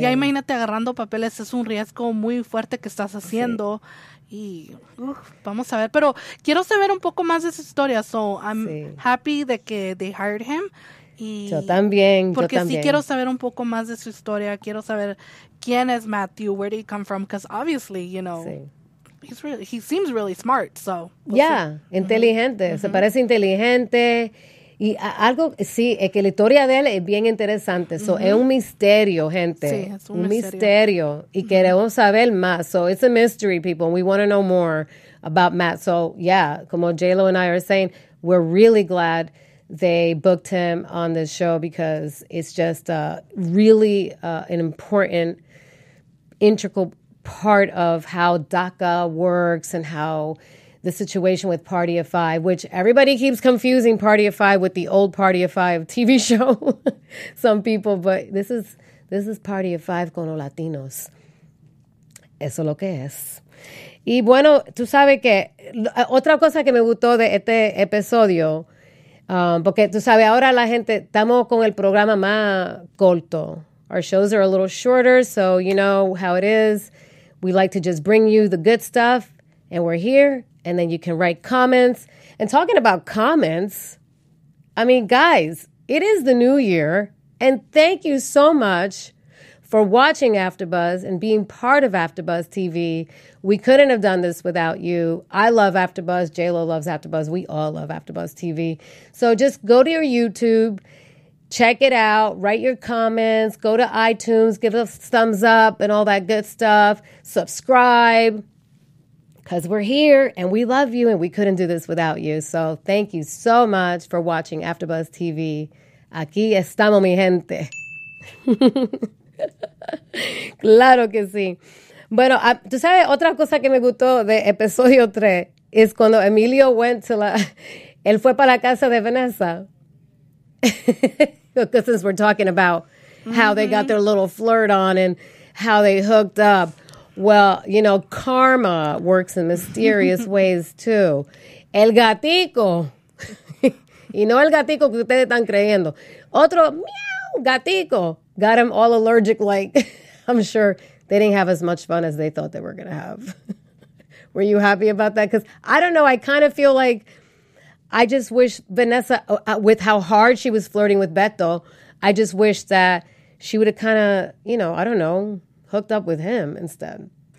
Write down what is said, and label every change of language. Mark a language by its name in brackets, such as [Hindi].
[Spanish] Y ahí imagínate agarrando papeles, es un riesgo muy fuerte que estás haciendo. Sí. Y vamos a ver, pero quiero saber un poco más de su historia. [English] So, I'm happy [Spanish] de que [English] they hired him. [Spanish] Y yo también, porque yo también. Sí quiero saber un poco más de su historia. Quiero saber quién es Matthew, [English] where did he come from? Because obviously, you know, he seems really smart. So we'll see. [Spanish] Inteligente. Mm-hmm. Se parece inteligente. Y algo, sí, es que la historia de él es bien interesante. So es un misterio, gente. Sí, es un misterio. Y queremos saber más. [English] So it's a mystery, people. And we want to know more about Matt. So yeah, como J-Lo and I are saying, we're really glad they booked him on this show, because it's just really an important, integral part of how DACA works and how the situation with Party of Five, which everybody keeps confusing Party of Five with the old Party of Five TV show, some people, but this is Party of Five [Spanish] con los Latinos. Eso lo que es. Y bueno, tú sabes que otra cosa que me gustó de este episodio, porque tú sabes, ahora la gente, estamos con el programa más corto. [English] Our shows are a little shorter, so you know how it is. We like to just bring you the good stuff, and we're here, and then you can write comments. And talking about comments, I mean, guys, it is the new year, and thank you so much for watching AfterBuzz and being part of AfterBuzz TV. We couldn't have done this without you. I love AfterBuzz. J-Lo loves AfterBuzz. We all love AfterBuzz TV. So just go to your YouTube, check it out, write your comments, go to iTunes, give us thumbs up and all that good stuff. Subscribe, because we're here and we love you and we couldn't do this without you. So thank you so much for watching AfterBuzz TV. [Spanish] Aquí estamos, mi gente. Claro que sí. Bueno, tú sabes, otra cosa que me gustó de episodio 3 es cuando Emilio [English] went to [Spanish] la, él fue para la casa de Vanessa. [English] Because since we're talking about how they got their little flirt on and how they hooked up. Well, you know, karma works in mysterious ways too. [Spanish] El gatico. Y no el gatico que ustedes están creyendo. Otro, meow, gatico. [English] Got him all allergic, like, I'm sure they didn't have as much fun as they thought they were going to have. Were you happy about that? Because I don't know. I kind of feel like I just wish Vanessa, with how hard she was flirting with Beto, I just wish that she would have kind of, you know, I don't know, hooked up with him instead.